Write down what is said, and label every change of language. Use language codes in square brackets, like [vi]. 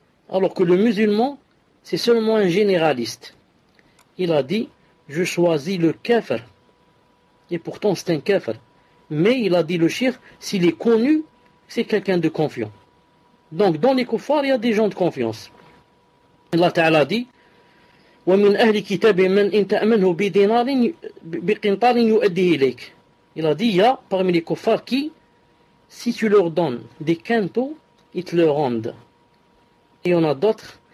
[fr] Alors que le musulman, c'est seulement un généraliste. Il a dit, je choisis le kafir. Et pourtant, c'est un kafir. Mais il a dit le shir, s'il est connu, c'est quelqu'un de confiant. Donc, dans les kuffars, il y a des gens de confiance. Allah Ta'ala dit, [ar] وَمِنْ أَهْلِ كِتَابِ مَنْ إِنْ تَأْمَنْهُ بِدِنَارٍ بِقِنْطَارٍ يُؤَدِّهِ إِلَيْكَ. [fr] Il a dit, il y a parmi les kuffars qui, si tu leur donnes des quintaux, ils te le rendent. Et il y en a d'autres.